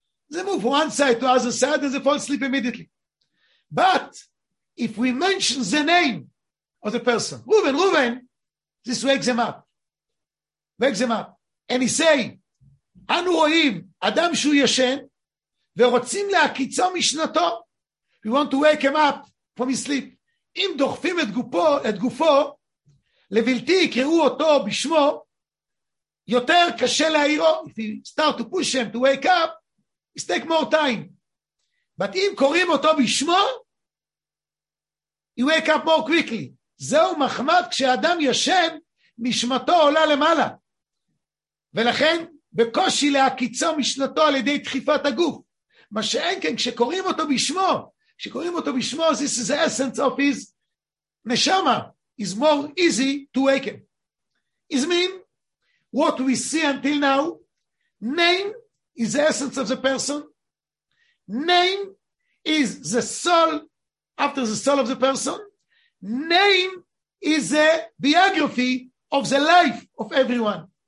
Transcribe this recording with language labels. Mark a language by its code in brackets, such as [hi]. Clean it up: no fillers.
[en] They move from one side to the other side and they fall asleep immediately. But, if we mention the name of the person, Reuven, Reuven, this wakes them up. Wakes them up. And he say, [he] Anu roim, Adam shu yashen, ורוצים להקיצו משנתו. [en] We want to wake him up from his sleep. [he] אם דוחפים את גופו, לבלתי יקראו אותו בשמו, יותר קשה להעירו. [en] If you start to push him to wake up, it's take more time. But [he] אם קוראים אותו בשמו, [en] you wake up more quickly. [he] זהו מחמת כשאדם ישן, נשמתו עולה למעלה. ולכן, בקושי להקיצו משנתו על ידי דחיפת הגוף. מה שאין כן, כשקוראים אותו בשמו, [en] this is the essence of his neshama, is more easy to wake him. It means, what we see until now, name is the essence of the person, name is the soul after the soul of the person, name is the biography of the life of everyone.